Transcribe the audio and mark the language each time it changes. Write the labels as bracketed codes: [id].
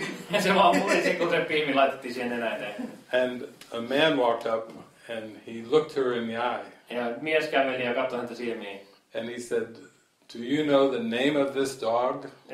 [fi] Ja se vaan murisi, kun se piivi laitettiin siihen nenä eteen. [en] And a man walked up and he looked her in the eye. [fi] Ja mies käveli ja katsoi häntä silmiin. [en] And he said, do you know the name of this dog?